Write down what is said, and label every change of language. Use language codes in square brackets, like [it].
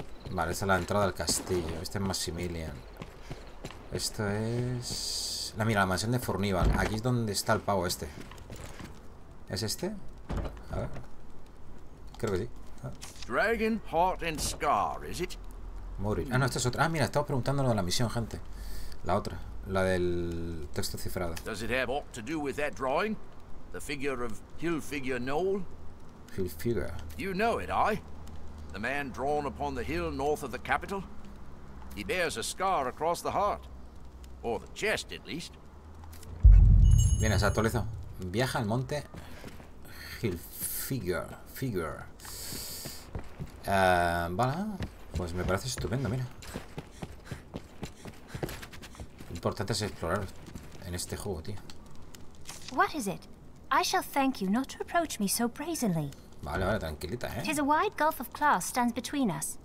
[es] Vale, esta es la entrada al castillo. Este es Maximilian. Esto es... la, mira, la mansión de Furnival. Aquí es donde está el pavo este. ¿Es este? A ver. Creo que sí. Dragon Pot and Scar, ¿es it? Morir. Ah, no, esta es otra. Ah, mira, estamos preguntándolo de la misión, gente. La otra. La del texto cifrado. [en] ¿Does it have aught to do with that drawing? The figure of Hillfigure Knoll. Hillfigure. You know it, aye. The man drawn upon the hill north of the capital. He bears a scar across the heart, or the chest at least. [es] Bien, se actualizó. Viaja al monte Hillfigure. Vale, pues me parece estupendo, mira. Lo importante es explorar en este juego, tío. [en] What is it? I shall thank you not to approach me so brazenly. [es] Vale, vale, tranquilita, ¿eh? [en] Tis a wide gulf of class stands between us.